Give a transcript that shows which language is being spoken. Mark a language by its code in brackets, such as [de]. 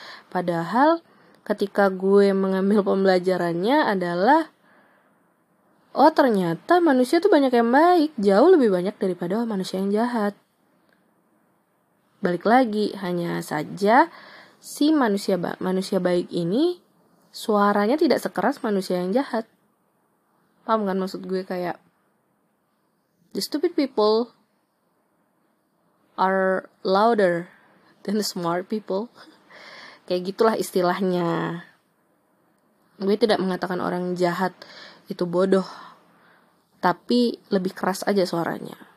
[id] Padahal, ketika gue mengambil pembelajarannya adalah, oh ternyata manusia tuh banyak yang baik, jauh lebih banyak daripada manusia yang jahat. Balik lagi, hanya saja si manusia baik ini suaranya tidak sekeras manusia yang jahat. Paham kan maksud gue? Kayak [en] the stupid people are louder than the smart people. [id] Kayak gitulah istilahnya. Gue tidak mengatakan orang jahat itu bodoh, tapi lebih keras aja suaranya.